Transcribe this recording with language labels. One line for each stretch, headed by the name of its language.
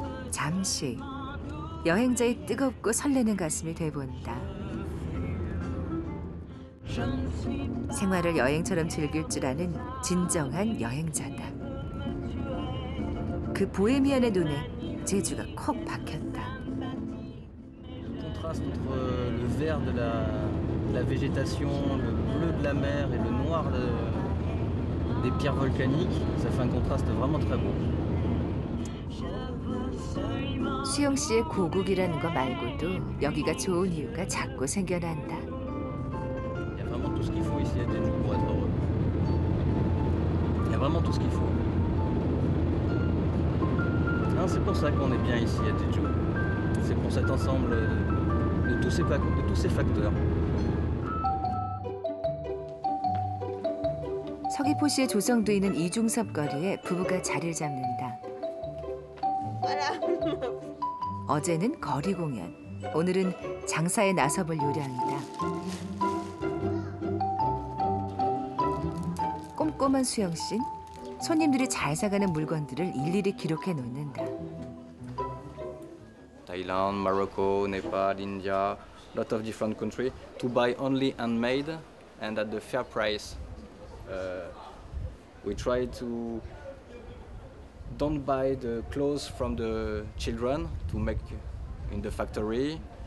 Korean: 잠시 여행자의 뜨겁고 설레는 가슴이 돼본다. 생활을 여행처럼 즐길 줄 아는 진정한 여행자다. 그 보헤미안의 눈에 제주가 콕 박혔다.
French: Entre le vert de la végétation, le bleu de la mer et le noir des pierres volcaniques, ça fait un contraste vraiment très beau.
Korean: 수영 씨의 고국이라는 거 말고도 여기가 좋은 이유가 자꾸 생겨난다.
French: Il y a vraiment tout ce qu'il faut ici à Jeju pour être heureux. Il y a vraiment tout ce qu'il faut. Non, c'est pour ça qu'on est bien ici à Jeju. C'est pour cet ensemble. De tous ces facteurs.
Korean: 서귀포시에 조성도 있는 이중섭 거리에 부부가 자리를 잡는다. 어제는 거리 공연, 오늘은 장사에 나서볼 요량이다. 꼼꼼한 수영 씨, 손님들이 잘 사가는 물건들을 일일이 기록해 놓는다.
English: 타일란드, 마로코, 네팔, 인디아, lot of different country to buy only handmade and at the fair price. We try to don't buy the clothes from the children to make in the factory.